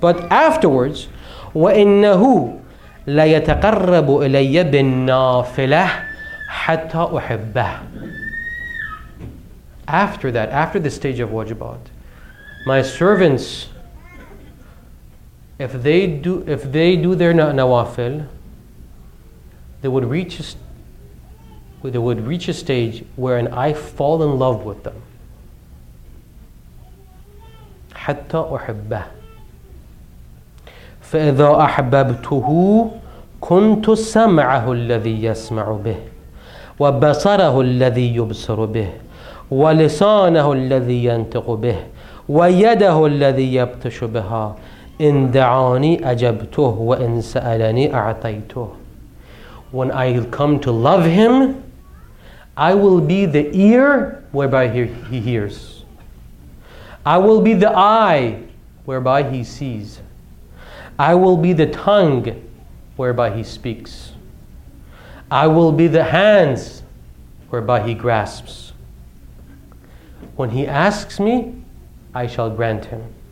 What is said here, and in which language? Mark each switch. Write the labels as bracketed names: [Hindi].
[English] But afterwards, [Arabic] وَإِنَّهُ لَيَتَقَرَّبُ إِلَيَّ بِالنَّافِلَةِ حَتَّى أُحِبَّهِ [English] After that, after the stage of wajibat, my servants, if they do their nawafil, they would reach a stage wherein I fall in love with them. [Arabic] حَتَّى أُحِبَّهِ فَإِذَا أَحْبَبْتُهُ كُنْتُ سَمْعَهُ الَّذِي يَسْمَعُ بِهِ وَبَصَرَهُ الَّذِي يُبْصِرُ بِهِ وَلِسَانَهُ الَّذِي يَنْتِقُ بِهِ وَيَدَهُ الَّذِي يَبْطِشُ بِهَا إِنْ دَعَانِي أَجَبْتُهُ وَإِنْ سَأَلَنِي أَعْطَيْتُهُ [English] When I come to love him, I will be the ear whereby he hears. I will be the eye whereby he sees. I will be the tongue whereby he speaks. I will be the hands whereby he grasps. When he asks me, I shall grant him.